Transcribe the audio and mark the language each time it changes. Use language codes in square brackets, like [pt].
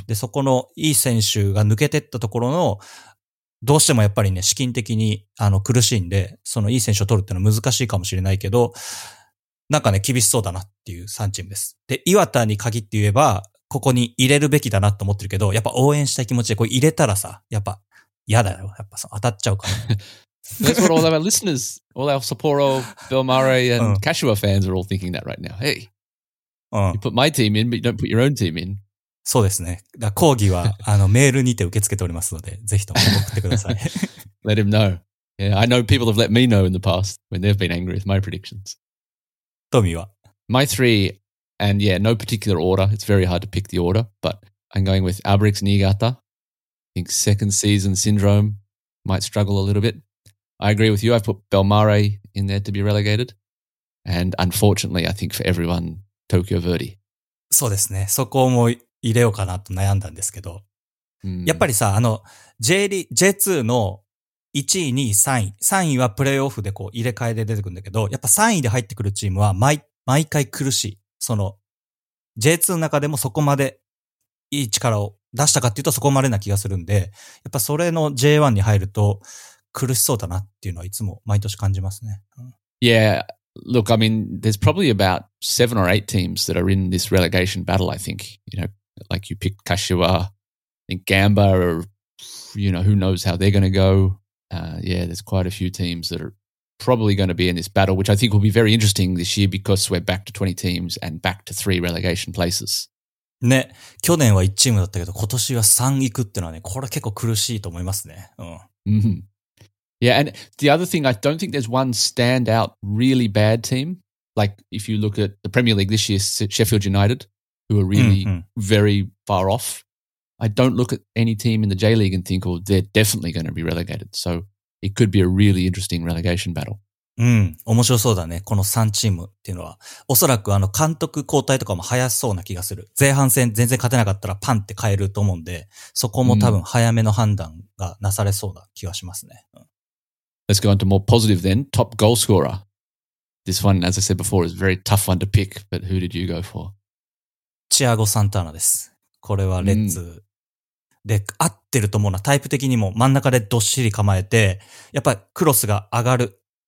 [ja] で、そこのいい選手が抜けてったところの、どうしてもやっぱりね、資金的に、苦しいんで、そのいい選手を取るっていうのは難しいかもしれないけど、なんかね、厳しそうだなっていう3チームです。で、岩田に限って言えば、ここに入れるべきだなと思ってるけど、やっぱ応援したい気持ちで、これ入れたらさ、やっぱ、嫌だよ。やっぱそう当たっちゃうから、 [en] ね。That's what all of our listeners, all our supporters, Bill Murray and Kashua fans are all thinking that right now. Hey, you put my team in, but you don't put your own team in. [ja] そうですね。だ講義は、メールにて受け付けておりますので、ぜひとも送ってください。 [en] let him know. Yeah, I know people have let me know in the past when they've been angry with my predictions. [ja] トミーは? [en] My three, and yeah, no particular order. It's very hard to pick the order, but I'm going with Abrex Niigata. I think second season syndrome might struggle a little bit. I agree with you. I've put Belmare in there to be relegated. And unfortunately, I think for everyone, Tokyo Verde. [ja] そうですね。そこも、入れようかなと悩んだんですけど、やっぱりさ、J2 の1位、2位、3位、3位はプレイオフでこう入れ替えで出てくるんだけど、やっぱ3位で入ってくるチームは毎回苦しい。その、J2 の中でもそこまでいい力を出したかっていうとそこまでな気がするんで、やっぱそれの J1 に入ると苦しそうだなっていうのはいつも毎年感じますね。 [en] Yeah, look, I mean, there's probably about 7 or 8 teams that are in this relegation battle, I think, you know. Like you picked Kashua, I think Gamba, or you know, who knows how they're going to go. Yeah, there's quite a few teams that are probably going to be in this battle, which I think will be very interesting this year because we're back to 20 teams and back to 3 relegation places. [ja] ね、去年は1チームだったけど、今年は3行くってのはね、これは結構苦しいと思いますね。 Mm-hmm. [en] Yeah, and the other thing, I don't think there's one standout really bad team. Like if you look at the Premier League this year, Sheffield United. Who are really very far off. I don't look at any team in the J-League and think, oh, they're definitely going to be relegated. So it could be a really interesting relegation battle. [ja] うん、面白そうだね。この3チームっていうのは。おそらく監督交代とかも早そうな気がする。前半戦全然勝てなかったらパンって変えると思うんで、そこも多分早めの判断がなされそうな気がしますね。 [en] Let's go on to more positive then. Top goal scorer. This one, as I said before, is a very tough one to pick. But who did you go for? [ja] チアゴ・サンターナです。これはレッツ、で、合ってると思うな。タイプ的にも真ん中でどっしり構えて、やっぱクロスが上がる。